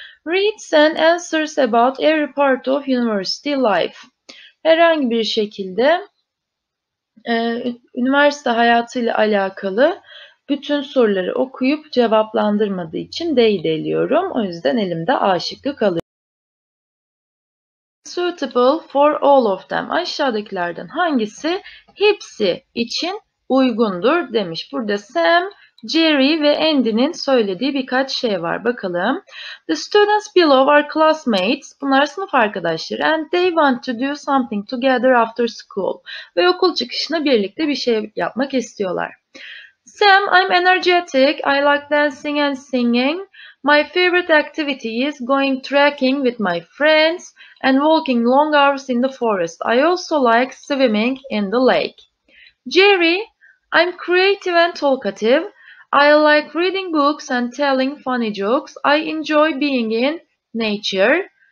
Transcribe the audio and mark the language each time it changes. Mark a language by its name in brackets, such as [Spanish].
[English] Reads and answers about every part of university life. [Turkish] Herhangi bir şekilde üniversite hayatıyla alakalı bütün soruları okuyup cevaplandırmadığı için değil diyorum. O yüzden elimde A şıkkı kalıyor. [English] Suitable for all of them. [Turkish] Aşağıdakilerden hangisi hepsi için uygundur demiş. Burada Sam, Jerry ve Andy'nin söylediği birkaç şey var. Bakalım. [English] The students below are classmates. [Turkish] Bunlar sınıf arkadaşları. [English] And they want to do something together after school. [Turkish] Ve okul çıkışına birlikte bir şey yapmak istiyorlar. [English] Sam, I'm energetic. I like dancing and singing. My favorite activity is going trekking with my friends and walking long hours in the forest. I also like swimming in the lake. Jerry, I'm creative and talkative. I like reading books and telling funny jokes. I enjoy being in nature.